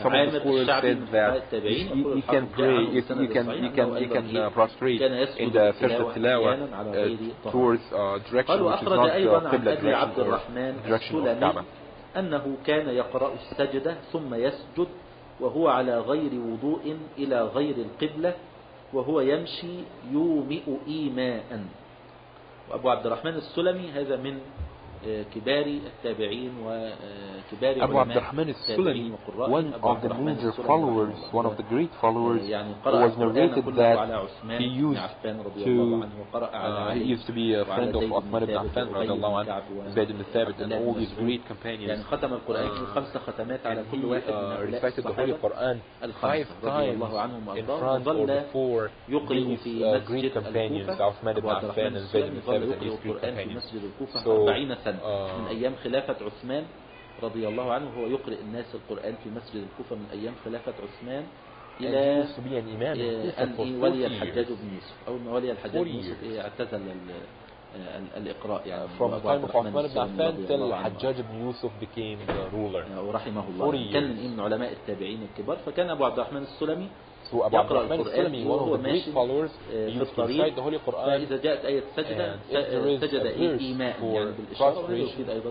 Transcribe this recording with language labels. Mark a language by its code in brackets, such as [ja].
[en] Some of the scholars said that you can pray, you can prostrate in the Sajda Tilawa towards direction which is not the Qibla direction or direction of Kaaba. [ar] أنه كان يقرأ السجدة ثم يسجد وهو على غير وضوء إلى غير القبلة وهو يمشي يومئ إيماء. وأبو عبد الرحمن السلمي هذا من كبار التابعين وكبار [en] أبو عبد الرحمن السلمي one of the major followers one of the great followers [ar] يعني قرأ [en] was narrated that على عثمان he used عفان رضي to he used to be a friend of Uthman ibn Affan [ar] رضي الله عنه [en] Zayd ibn Thabit and all these great companions [ar] يعني ختم القرآن خمس ختمات على كل واحد من [en] recited the Holy Quran five times in front of the four these great companions Uthman ibn Affan and Zayd ibn Thabit and these great companions so [ar] 40 سنة من أيام خلافة عثمان رضي الله عنه هو يقرأ الناس القرآن في مسجد الكوفة من أيام خلافة عثمان إلى أن ولي الحجاج بن يوسف أو أن ولي الحجاج بن يوسف اعتزل الإقراء يعني [en] from the time of Uthman ibn Affan till Hajjaj ibn Yusuf became the ruler [ar] ورحمه الله كان من علماء التابعين الكبار فكان أبو عبد الرحمن السلمي [en] So Abu Abd al-Rahman al-Sulami, one of the great followers, used to recite the Holy Quran, and if there is a verse for prostration,